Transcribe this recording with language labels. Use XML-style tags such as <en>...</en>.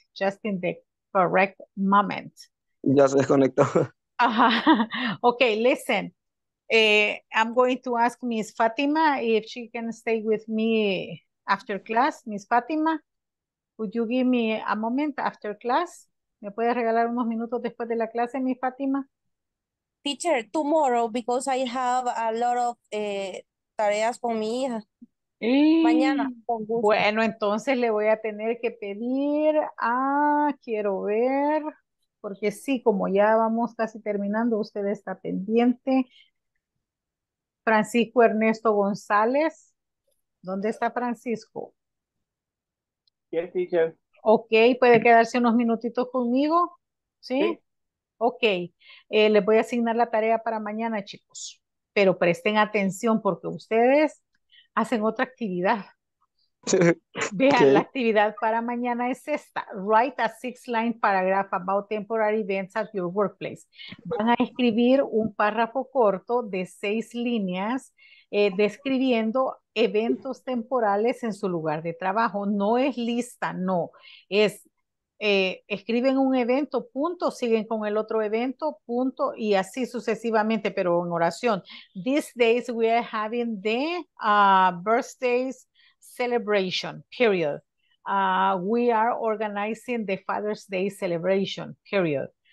<en>Just in the correct moment.</en> <es>Ya se desconectó.</es> <en>Ajá. Okay, listen. I'm going to ask Miss Fatima if she can stay with me after class. Miss Fatima, would you give me a moment after class?</en> <es>¿Me puedes regalar unos minutos después de la clase, Miss Fatima?</es> <en>Teacher, tomorrow, because I have a lot of</en> <es>tareas con mi hija. Mañana, con gusto. Bueno, entonces le voy a tener que pedir, quiero ver, porque sí, como ya vamos casi terminando, usted está pendiente. Francisco Ernesto González. ¿Dónde está Francisco?</es> <en>Yes, teacher.</en> <es>Ok, puede quedarse unos minutitos conmigo. ¿Sí? Sí. Ok, les voy a asignar la tarea para mañana, chicos. Pero presten atención porque ustedes hacen otra actividad. Vean, okay. La actividad para mañana es esta.</es> <en>Write a 6-line paragraph about temporary events at your workplace.</en> <es>Van a escribir un párrafo corto de 6 líneas describiendo eventos temporales en su lugar de trabajo. No es lista, no. Es escriben un evento, punto, siguen con el otro evento, punto, y así sucesivamente, pero en oración.</es> <en>These days we are having the birthdays celebration, period. We are organizing the Father's Day celebration, period.</en>